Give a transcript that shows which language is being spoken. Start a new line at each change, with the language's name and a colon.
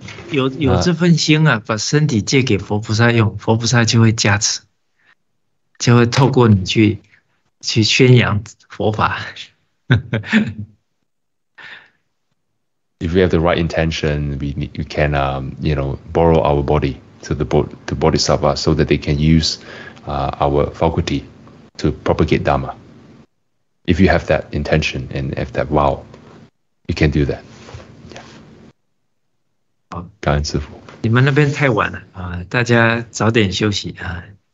Chinese: 有这份心啊，把身体借给佛菩萨用，佛菩萨就会加持，就会透过你去宣扬佛法。
English: If we have the right intention, we can borrow our body to the Bodhisattva so that they can use our faculty to propagate Dharma. If you have that intention and have that vow, you can do that. Yeah.
Chinese: 好，感恩师父。你们那边太晚了啊，大家早点休息啊。